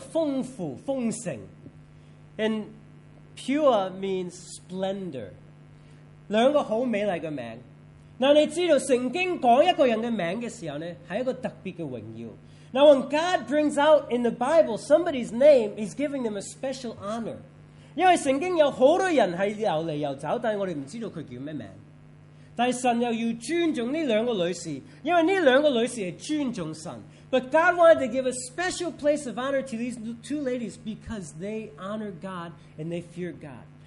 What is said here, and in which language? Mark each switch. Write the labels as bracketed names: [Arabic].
[Chinese] 普瓦呢,这个名字叫丰富,丰盛。 [English] And Pua means splendor. [Chinese] 两个很美丽的名字。那你知道圣经讲一个人的名字的时候呢,是一个特别的荣耀。 [English] Now when God brings out in the Bible somebody's name, he's giving them a special honor. [Chinese] 因为圣经有很多人是游来游走,但是我们不知道他叫什么名字。但神又要尊重这两个女士,因为这两个女士是尊重神。 [English] But God wanted to give a special place of honor to these two ladies because they honor God and they fear God.